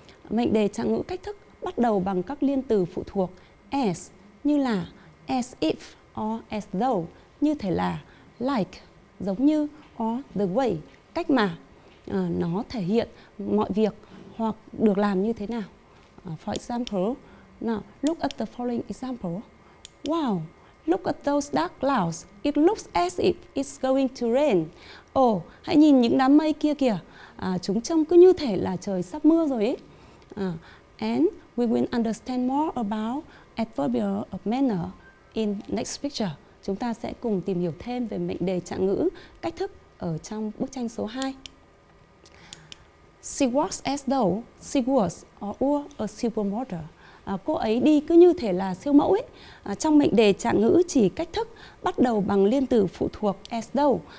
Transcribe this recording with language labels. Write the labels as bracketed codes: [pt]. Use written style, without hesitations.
[vi] Mệnh đề trạng ngữ cách thức bắt đầu bằng các liên từ phụ thuộc as, như là, as if or as though, như thể là, like, giống như, or the way, cách mà. Nó thể hiện mọi việc hoặc được làm như thế nào. [en] For example, now look at the following example. Wow, look at those dark clouds. It looks as if it's going to rain. [vi] Oh, hãy nhìn những đám mây kia kìa. Chúng trông cứ như thể là trời sắp mưa rồi ấy. [en] And we will understand more about adverbial of manner in next picture. [vi] Chúng ta sẽ cùng tìm hiểu thêm về mệnh đề trạng ngữ cách thức ở trong bức tranh số 2. [en] She walks as though she was or a supermodel. [vi] Cô ấy đi cứ như thể là siêu mẫu ấy. Trong mệnh đề trạng ngữ chỉ cách thức bắt đầu bằng liên từ phụ thuộc as though.